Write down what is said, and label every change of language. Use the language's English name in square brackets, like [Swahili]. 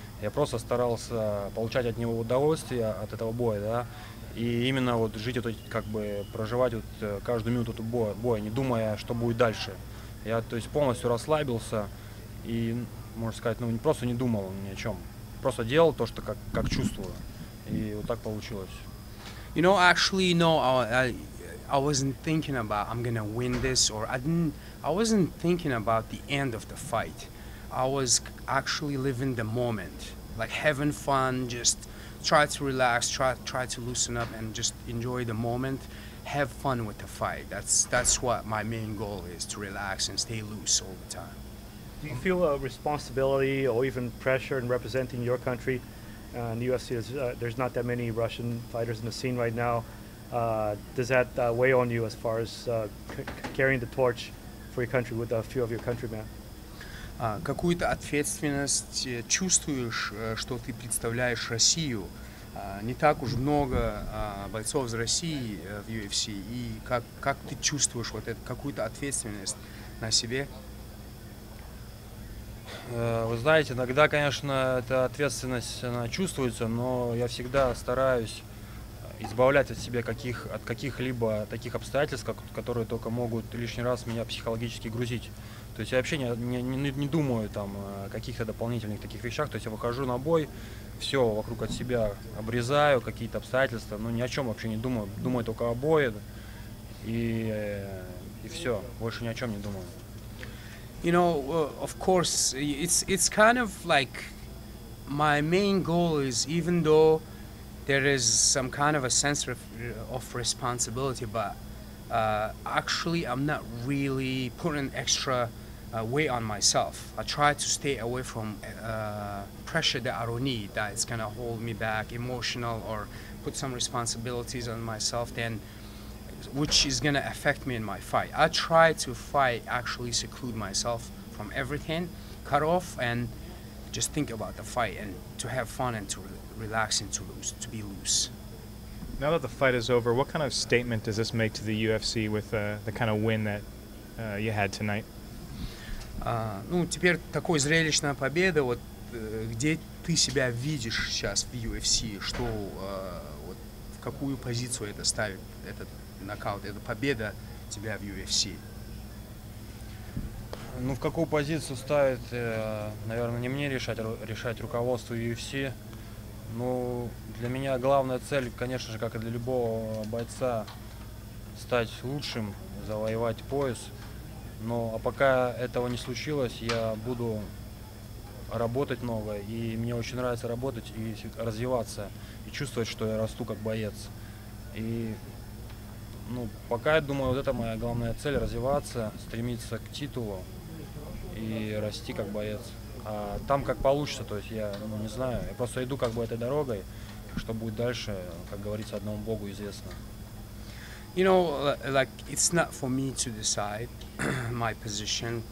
[Russian] Я просто старался получать от него удовольствие, от этого боя, да, и именно вот жить, вот, как бы проживать вот каждую минуту этого боя, не думая, что будет дальше. Я, то есть, полностью расслабился и, можно сказать, ну, просто не думал ни о чем. Просто делал то, что как чувствую. И вот так получилось. [English] You know, actually, no, I wasn't thinking about I'm gonna win this, or I wasn't thinking about the end of the fight. I was actually living the moment, like having fun, just try to relax, try to loosen up and just enjoy the moment, have fun with the fight. That's what my main goal is, to relax and stay loose all the time. Do you feel a responsibility or even pressure in representing your country? And the UFC, there's not that many Russian fighters in the scene right now. Does that weigh on you as far as carrying the torch for your country with a few of your countrymen? [Russian] Какую-то ответственность чувствуешь, что ты представляешь Россию? Не так уж много бойцов из России в UFC. И как ты чувствуешь вот эту какую-то ответственность на себе? Вы знаете, иногда, конечно, эта ответственность она чувствуется, но я всегда стараюсь избавлять от себя от каких-либо таких обстоятельств, которые только могут лишний раз меня психологически грузить. То есть я вообще не думаю там о каких-то дополнительных таких вещах. То есть я выхожу на бой, все вокруг от себя обрезаю, какие-то обстоятельства, но ни о чем вообще не думаю. Думаю только о бое и все, больше ни о чем не думаю. [English] You know, of course, it's kind of like my main goal is, even though there is some kind of a sense of responsibility, but actually I'm not really putting extra weight on myself. I try to stay away from pressure that I don't need, that it's gonna hold me back emotional or put some responsibilities on myself, then which is gonna affect me in my fight. I try to fight, actually seclude myself from everything, cut off, and just think about the fight and to have fun and to relax and to be loose. Now that the fight is over, what kind of statement does this make to the UFC with the kind of win that you had tonight? [Russian] Ну, теперь такой зрелищная победа, вот где ты себя видишь сейчас в UFC, что, вот, в какую позицию это ставит, этот нокаут, эта победа тебя в UFC? Ну, в какую позицию ставит, наверное, не мне решать руководство UFC. Ну, для меня главная цель, конечно же, как и для любого бойца, стать лучшим, завоевать пояс. Но а пока этого не случилось, я буду работать много, и мне очень нравится работать и развиваться, и чувствовать, что я расту как боец. И, ну, пока я думаю, вот это моя главная цель, развиваться, стремиться к титулу и расти как боец. А там как получится, то есть я, ну, не знаю, я просто иду как бы этой дорогой, что будет дальше, как говорится, одному Богу известно. [English] You know, like, it's not for me to decide my position.